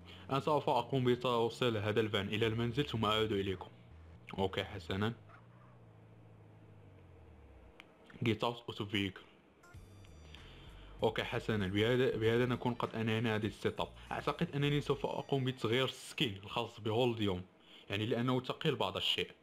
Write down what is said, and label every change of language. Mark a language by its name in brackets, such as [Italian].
[Arabic] الآن سوف أقوم بتوصيل هذا الفان إلى المنزل ثم أعود إليكم. أوكي حسنا [English] get out of the vehicle. [Arabic] اوكي حسنا بهذا نكون قد انهينا هذه السيت اب. اعتقد انني سوف اقوم بتغيير السكين الخاص بهولديوم، يعني لانه ثقيل بعض الشيء.